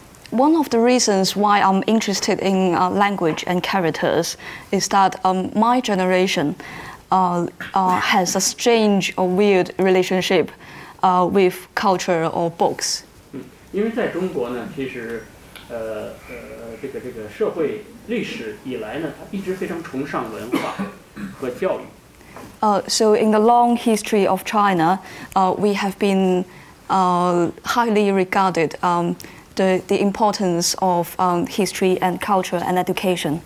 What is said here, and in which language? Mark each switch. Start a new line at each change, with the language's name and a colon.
English: One of the reasons why I'm interested in language and characters is that my generation has a strange or weird relationship with culture or books.
Chinese: 因为在中国呢，其实社会历史以来呢，它一直非常崇尚文化和教育。
English: So in the long history of China, we have been highly regarded the importance of history and culture and education.